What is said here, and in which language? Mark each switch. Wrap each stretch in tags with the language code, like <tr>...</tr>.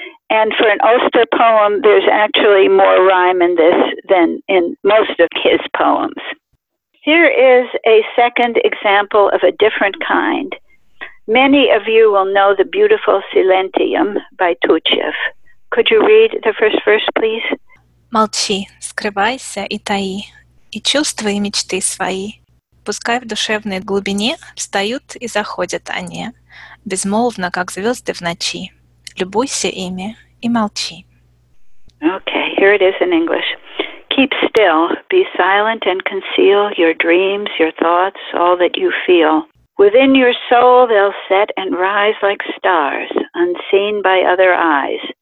<en>And for an Auster poem, there's actually more rhyme in this than in most of his poems. Here is a second example of a different kind. Many of you will know the beautiful Silentium by Tuchev. Could you read the first verse, please?</en> <ru>Молчи, скрывайся и таи, и чувства и мечты свои. Пускай в душевной глубине встают и заходят они, безмолвно, как звезды в ночи. Любуйся ими и молчи.</ru> <en>Okay, here it is in English. Keep still, be silent and conceal your dreams, your thoughts, all that you feel. Within your soul they'll set and rise like stars, unseen by other eyes.</en>